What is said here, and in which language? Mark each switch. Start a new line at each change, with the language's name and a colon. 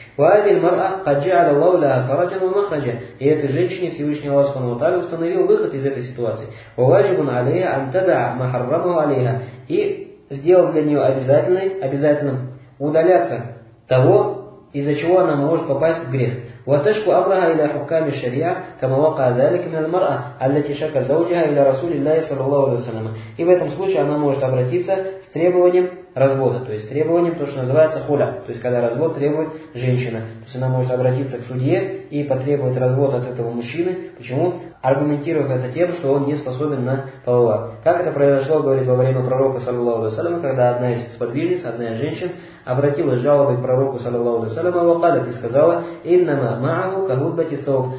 Arabic: Вадии мара хаджа лауля хараджану махаджа.
Russian: И этой женщине Всевышний Аллах Субхану ва Тааля установил выход из этой ситуации.
Arabic: Ваджибун алейха антада махаррама алейха.
Russian: И сделал для нее обязательным удаляться того, из-за чего она может попасть в грех.
Arabic: وتشكو أمرها إلى حكام الشريعة كما وقع ذلك من المرأة التي شكى زوجها إلى رسول الله صلى الله عليه وسلم.
Russian: И в этом случае она может обратиться с требованием развода, то есть требованием то, что называется хуля, то есть когда развод требует женщина. То есть она может обратиться к судье и потребовать развод от этого мужчины. Почему? Аргументируя это тем, что он не способен на половой акт. Как это произошло, говорит, во время пророка, саллаллаху алейхи ва саллям, когда одна из сподвижниц, одна из женщин, обратилась с жалобой к пророку, саллаллаху алейхи ва саллям, вакалят, и сказала,
Arabic: «Иннама маху кагутбати цоук».